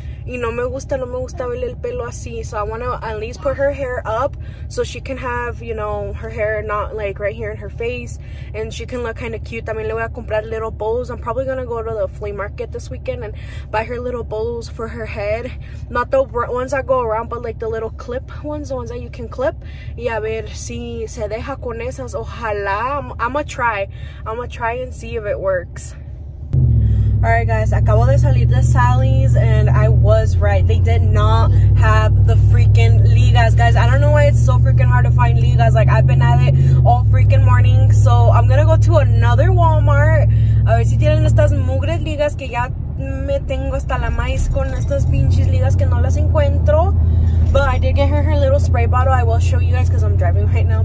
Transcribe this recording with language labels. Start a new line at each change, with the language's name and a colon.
Spanish: Y no me gusta ver el pelo así.
English: So I want to at least put her hair up so she can have, you know, her hair not like right here in her face, and she can look kind of cute. También le voy a comprar little bows. I'm probably gonna go to the flea market this weekend and buy her little bows for her head, not the ones that go around, but like the little clip ones, the ones that you can clip.
Spanish: Y a ver si se deja con esas. Ojalá.
English: I'm gonna try and see if it works. Alright guys, acabo de salir de Sally's and I was right. They did not have the freaking ligas. Guys, I don't know why it's so freaking hard to find ligas. Like, I've been at it all freaking morning. So I'm gonna go to another Walmart.
Spanish: A ver si tienen estas mugres ligas, que ya me tengo hasta la maíz con estas pinches ligas que no las encuentro.
English: But I did get her little spray bottle. I will show you guys because I'm driving right now.